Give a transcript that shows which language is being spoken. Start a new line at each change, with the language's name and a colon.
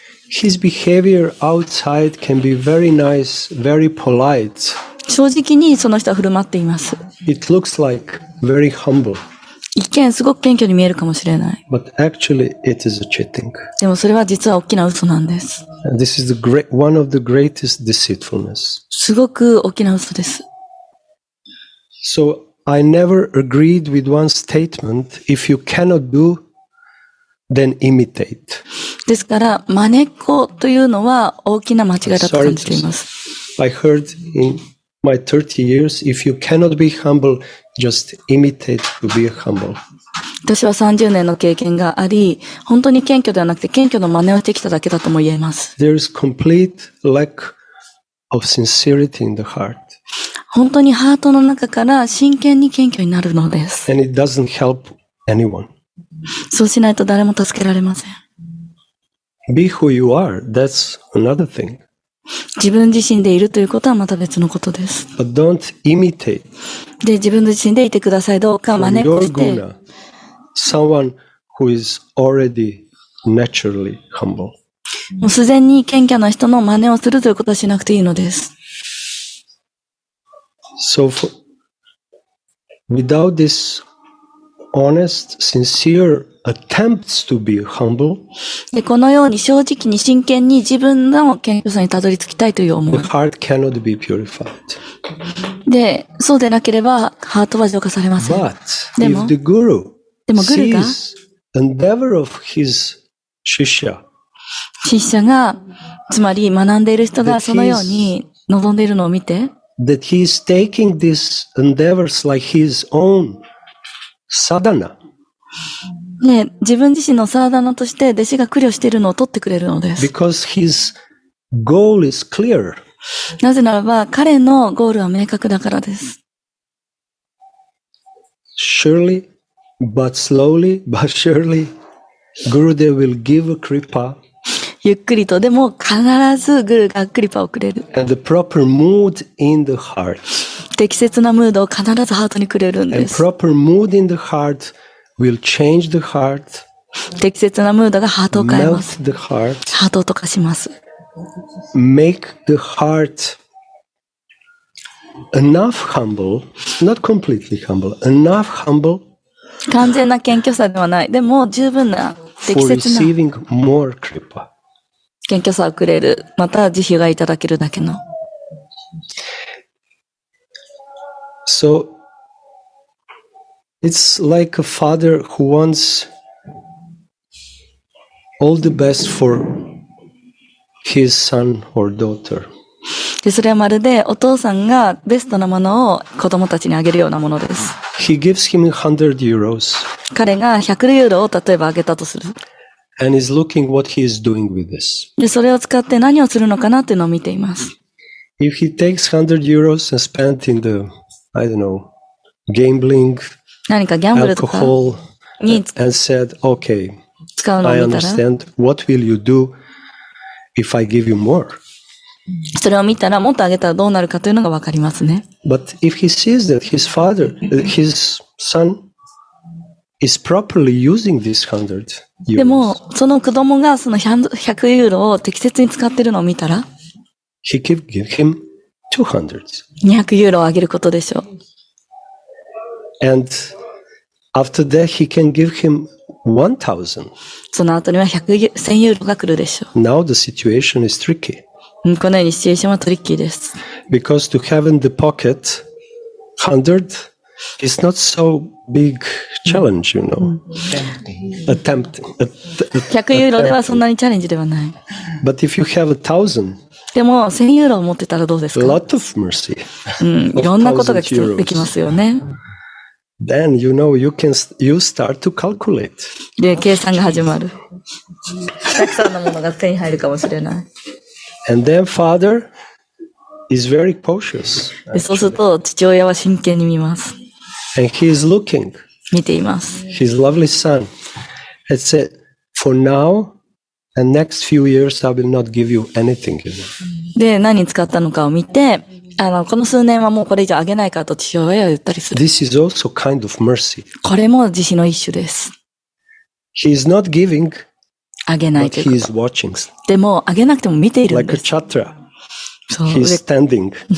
English: His behavior outside can be very nice, very polite.
Japanese: 正直にその人は振る舞っています。
English: It looks like very humble.
Japanese: 一見すごく謙虚に見えるかもしれない。
English: But actually, it is a cheating.
Japanese: でもそれは実は大きな嘘なんです。
English: And this is the great, one of the greatest deceitfulness.
Japanese: すごく大きな嘘です。
English: So I never agreed with one statement. If you cannot do, then imitate.
Japanese: ですから、まねっこというのは大きな間違いだと感じています。
English: I heard in my 30 years, if you cannot be humble, just imitate to be humble.
Japanese: 私は30年の経験があり、本当に謙虚ではなくて謙虚の真似をしてきただけだとも言えます。
English: There is complete lack of sincerity in the heart.
Japanese: 本当にハートの中から真剣に謙虚になるのです。
English: And it doesn't help anyone.
Japanese: そうしないと誰も助けられません。
English: Be who you are, that's another thing.
Japanese: 自分自身でいるということはまた別のことです。
English: But don't imitate.
Japanese: で、自分自身でいてください。どうか真似して。
English: Your guna, someone who is already naturally humble.
Japanese: もうすでに謙虚な人の真似をするということはしなくていいのです。
English: So, without this honest, sincere,Attempts to be humble.
Japanese: でこのように正直に真剣に自分の謙虚さにたどり着きたいという思い。
English: The heart cannot be purified.
Japanese: で、そうでなければハートは浄化されません。
English: But if the guru sees the endeavor of his shishya,
Japanese: 師匠がつまり学んでいる人がそのように望んでいるのを見て、
English: that he is taking these endeavors like his own sadhana.
Japanese: ね、自分自身のサーダナとして弟子が苦慮しているのを取ってくれるのです。
English: Because his goal is clear.
Japanese: なぜならば彼のゴールは明確だからです。
English: Surely, but slowly, but surely, Gurudev will give a kripa.
Japanese: ゆっくりとでも必ずグルがクリパをくれる。
English: And the proper mood in the heart.
Japanese: 適切なムードを必ずハートにくれるんです。
English: And proper mood in the heart. Will change the heart,
Japanese: 適切なムードがハートを変えます。
English: Melt the heart,
Japanese: ハートを溶かします。
English: Make the heart enough humble, not completely humble, enough humble.
Japanese: 完全な謙虚さではない。でも十分な適切な。
English: For receiving more kripa.
Japanese: 謙虚さをくれる。また慈悲がいただけるだけの。
English: So. It's like a father who wants all the best for his son or daughter.
Japanese: それはまるでお父さんがベストなものを子供たちにあげるようなものです。
English: He gives him 100 euros.
Japanese: 彼が100ユーロを例えばあげたとする。
English: And is looking what he is doing with this.
Japanese: でそれを使って何をするのかなっていうのを見ています。
English: If he takes 100 euros and spends in the, I don't know, gambling,
Japanese: 何かギャンブルとかに使うのを見たら、
English: I understand. What will you do if I give you more?
Japanese: それを見たら、もっとあげたらどうなるかというのがわかりますね。
English: But if he sees that his father, his son is properly using this 100 euros,
Japanese: でもその子供がその100ユーロを適切に使っているのを見たら、
English: he can give him 200.
Japanese: 200ユーロをあげることでしょう。
English: And after that, he can give him 1,000.
Japanese: その後には100ユーロが来るでしょう。
English: Now the situation is tricky.
Japanese: このようにシチュエーションはトリッキーです。
English: Because to have in the pocket 100 is not so big challenge, you know. Attempting.
Japanese: 100ユーロではそんなにチャレンジではない。
English: But if you have 1,000,
Japanese: でも1000ユーロを持ってたらどうですか?
English: A lot of mercy.
Japanese: いろんなことが期待できますよね。
English: Then you know you can you start to calculate.
Japanese: で計算が始まる。たくさんのものが手に入るかもしれない。
English: And then father is very cautious.
Japanese: でそうすると父親は真剣に見ます。
English: And he is looking.
Japanese: 見ています。
English: His lovely son. It's a for now and next few years I will not give you anything.
Japanese: で何使ったのかを見て。この数年はもうこれ以上あげないかと父親は言ったりする。
English: This is also kind of mercy.
Japanese: これも慈悲の一種です。
English: He is not giving,
Japanese: あげないけど。
English: But he is watching.
Japanese: でも、あげなくても見ているんです。
English: Like a chatra. He is standing.